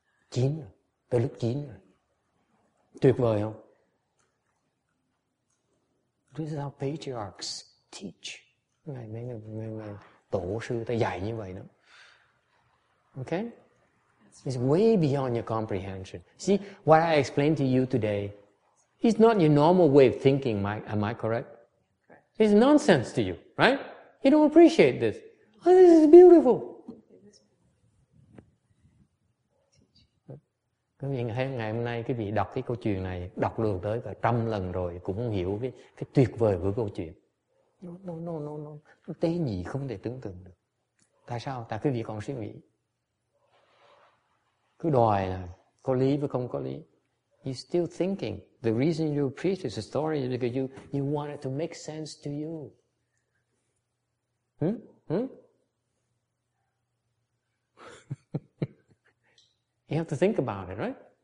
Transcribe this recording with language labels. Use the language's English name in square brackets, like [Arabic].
[Vietnamese] 9 rồi. Tới lúc 9 rồi. Tuyệt vời không? [English] This is how patriarchs teach. [Vietnamese] Ngài mấy tổ sư ta dạy như vậy đó. [English] Okay? It's way beyond your comprehension. See, what I explained to you today is not your normal way of thinking, am I correct? Correct. It's nonsense to you, right? You don't appreciate this. Oh, this is beautiful. [Vietnamese] Có nghĩa là ngày hôm nay quý vị đọc cái câu chuyện này, đọc được tới cả 100 lần rồi cũng không hiểu cái tuyệt vời của câu chuyện. No. Nó tế nhị không thể tưởng tượng được. Tại sao? Tại quý vị còn suy nghĩ. Cứ đòi là có lý và không có lý. [English] You're still thinking. The reason you preach this story is because you want it to make sense to you. You have to think about it, right?